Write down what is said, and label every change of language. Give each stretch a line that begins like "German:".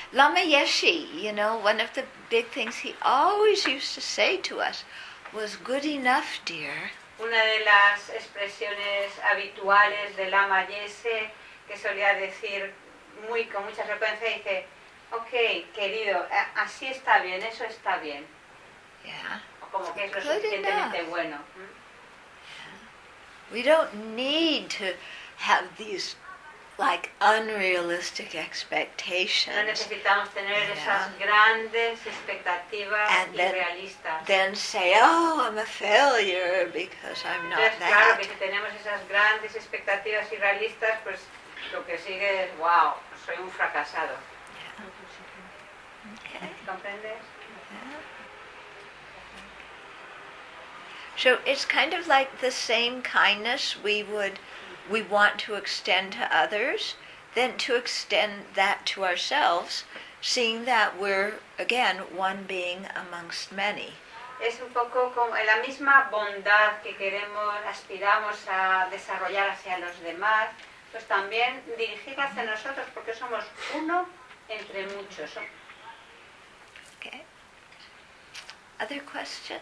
English: Lama Yeshe, you know, one of the big things he always used to say to us was good enough, dear.
Spanish: Una de las expresiones habituales de Lama Yeshe que solía decir muy con mucha frecuencia dice, "Okay, querido, así está bien, eso está bien."
English: Yeah.
Spanish: O como que es lo suficientemente bueno.
English: Yeah. We don't need to have these like unrealistic expectations.
Spanish: No necesitamos tener esas grandes expectativas irrealistas.
English: And then say, "Oh, I'm a failure because I'm not
Spanish: Entonces,
English: that."
Spanish: Claro, que si tenemos esas grandes expectativas irrealistas, pues lo que sigue es, "Wow, soy un fracasado."
English: Yeah. Okay.
Spanish: ¿Comprendes?
English: Yeah. So it's kind of like the same kindness we want to extend to others, then to extend that to ourselves, seeing that we're, again, one being amongst many.
Spanish: Es un poco como la misma bondad que queremos, aspiramos a desarrollar hacia los demás, pues también dirigirla hacia nosotros, porque somos uno entre muchos.
English: Okay. Other questions?